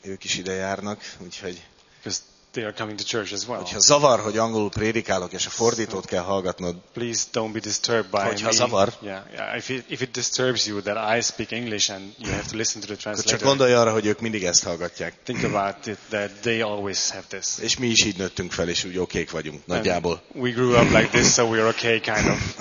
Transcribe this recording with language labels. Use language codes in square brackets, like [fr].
[hu] Ők is ide járnak, úgyhogy [en] they are coming to church as well. [hu] Hogyha zavar, hogy angolul prédikálok és a fordítót kell hallgatnod. [en] Please don't be disturbed by [hu] hogyha zavar. [en] If it disturbs you that I speak English and you have to listen to the translator. [hu] Csak gondolj arra, hogy ők mindig ezt hallgatják. [en] Think about it that they always have this. [hu] És mi is így nőttünk fel és úgy okék vagyunk nagyjából. [en] And we grew up like this so we are okay kind of.